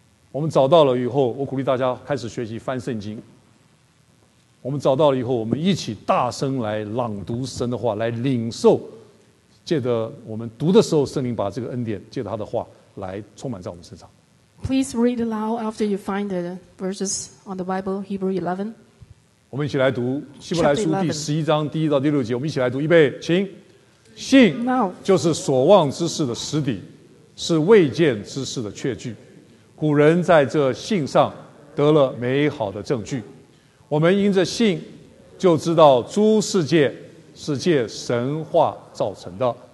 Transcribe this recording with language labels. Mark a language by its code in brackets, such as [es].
[zh] 我们找到了以后，我鼓励大家开始学习翻圣经。我们找到了以后，我们一起大声来朗读神的话，来领受，借着我们读的时候，圣灵把这个恩典借着他的话来充满在我们身上。 [en] Please read aloud after you find the verses on the Bible, Hebrews 11. [zh] 我们一起来读希伯来书第十一章第一到第六节。我们一起来读，预备，请。信就是所望之事的实底，是未见之事的确据。古人在这信上得了美好的证据。我们因着信，就知道诸世界是借神话造成的。